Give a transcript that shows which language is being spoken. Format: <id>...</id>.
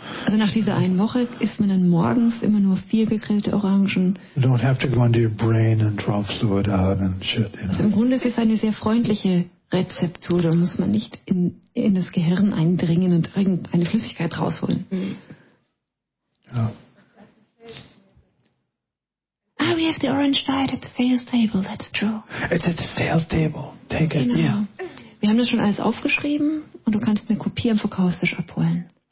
<de>Also nach dieser einen Woche isst man dann morgens immer nur 4 gegrillte Orangen.</de> <en>You don't have to go into your brain and draw fluid out and shit. You know?</en> <de>Also im Grunde ist es eine sehr freundliche Rezeptur. Da muss man nicht in das Gehirn eindringen und irgendeine Flüssigkeit rausholen. Ja.</de> <en>Ah, we have the orange diet at the sales table, that's true. It's at the sales table, take it.</en> <de>Genau.</de> <en>Yeah.</en> <de>Wir haben das schon alles aufgeschrieben und du kannst eine Kopie am Verkaufstisch abholen.</de>